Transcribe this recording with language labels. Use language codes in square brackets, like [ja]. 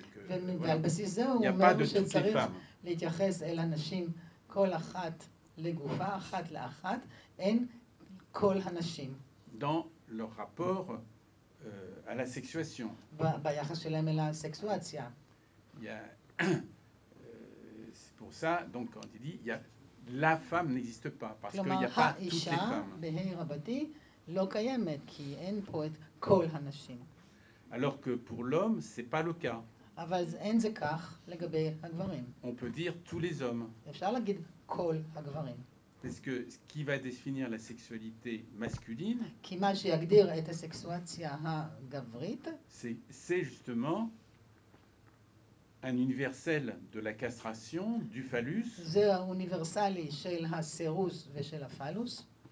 [fr] Il n'y a pas de toutes les femmes. Dans leur rapport à la sexuation. C'est pour ça, donc, quand il dit que la femme n'existe pas, parce qu'il n'y a pas toutes les femmes. [he] לא קיימת, כי אין פה את כל הנשים. [fr] Alors que pour l'homme, c'est pas le cas. [he] אבל אין זה כך לגבי הגברים. [fr] On peut dire tous les hommes. [he] אפשר להגיד כל הגברים. [fr] Parce que ce qui va définir la sexualité masculine, [he] כי מה שיגדיר את הסקסואציה הגברית, [fr] c'est justement un universel de la castration, du phallus. [he] זה האוניברסלי של הסירוס ושל הפלוס.